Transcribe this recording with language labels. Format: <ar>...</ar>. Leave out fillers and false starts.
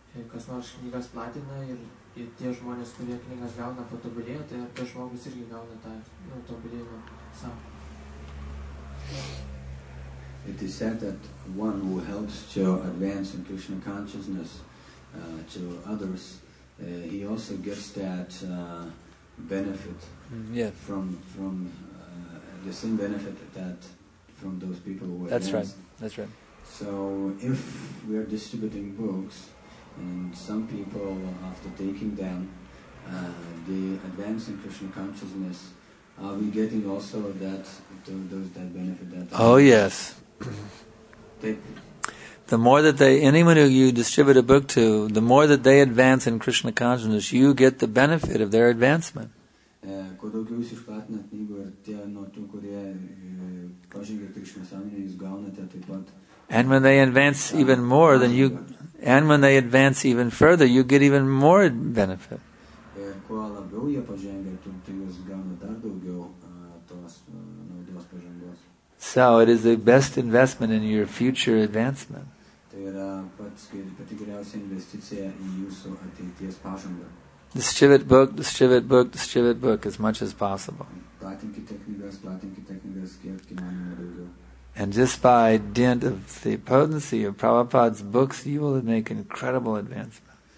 <lt>Kas nors knygas platina ir tie žmonės, kurie knygas gauna patobulėjo, tai ar tas žmogus irgi gauna tą tobulėjimą savo.</lt> <en>It is said that one who helps to advance in Krishna consciousness to others, he also gets that benefit from the same benefit that from those people who advance. That's right. So if we are distributing books, and some people, after taking them, they advance in Krishna consciousness. Are we getting also that benefit? Yes. The more that anyone who you distribute a book to, the more that they advance in Krishna consciousness, you get the benefit of their advancement.</en> <lt>Kuo daugiau jūs išplatina knygų ir tie nuo tų, kurie pažengia krikščionių sąmonę, jūs gaunate taip pat.</lt> <en>And when they advance even more than you, and when they advance even further, you get even more benefit.</en> <lt>Kuo labiau jie pažengia, tai jūs gaunate dar daugiau tos naudos pažangos.</lt> <en>So it is the best investment in your future advancement.</en> <lt>Tai yra pati geriausia investicija į jūsų ateities pažangą.</lt> <en>Distribute book, distribute book, distribute book as much as possible. And just by dint of the potency of Prabhupada's books, you will make incredible advancement.</en>